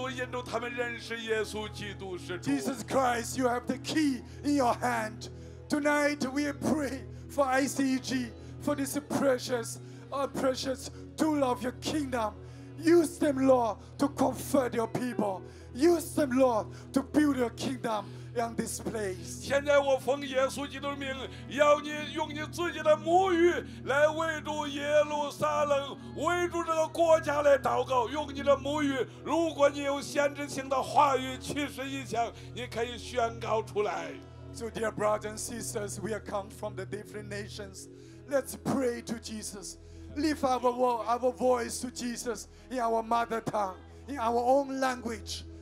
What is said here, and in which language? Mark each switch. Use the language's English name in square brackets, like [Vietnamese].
[English] Jesus Christ, you have the key in your hand. Tonight we pray for ICEG, for this precious, precious tool of your kingdom. Use them, Lord, to comfort your people. Use them, Lord, to build your kingdom in this place. [Chinese] 现在我奉耶稣基督的名，要你用你自己的母语来为主耶路撒冷，为主这个国家来祷告。用你的母语，如果你有先知性的话语、启示意象，你可以宣告出来。 [English] So, dear brothers and sisters, we have come from the different nations. Let's pray to Jesus. Lift our voice to Jesus in our mother tongue, in our own language.